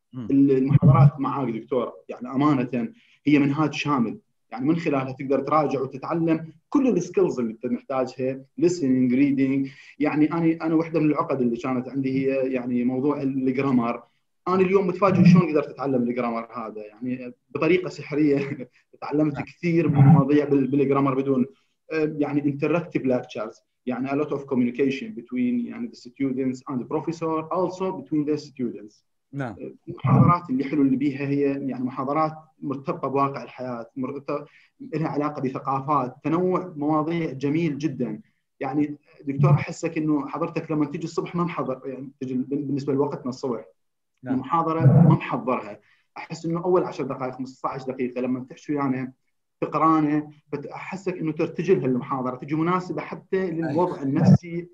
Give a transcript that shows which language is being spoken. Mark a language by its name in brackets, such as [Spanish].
[Arabic] المحاضرات معك دكتور يعني أمانة هي منهاج شامل، يعني من خلالها تقدر تراجع وتتعلم كل السكيلز اللي انت محتاجها، [English] listening, reading. [Arabic] يعني أنا واحدة من العقد اللي كانت عندي هي يعني موضوع الجرامر. أنا اليوم متفاجئ شلون قدرت أتعلم الجرامر هذا، يعني بطريقة سحرية تعلمت كثير من المواضيع بالجرامر بدون يعني [English] interactive lectures. [Arabic] يعني [English] a lot of communication between يعني the students and the professor, also between the students. [Arabic] نعم. المحاضرات اللي حلو اللي بيها هي يعني محاضرات مرتبطة بواقع الحياة، لها علاقة بثقافات، تنوع مواضيع جميل جدا. يعني دكتور أحسك إنه حضرتك لما تيجي الصبح ما محضر، يعني تيجي بالنسبة لوقتنا الصبح المحاضرة ما محضرها، أحس إنه أول 10 دقائق 15 دقيقة لما تحشو يعني تقرانه، فاحسك انه ترتجل هالمحاضره تجي مناسبه حتى للوضع النفسي.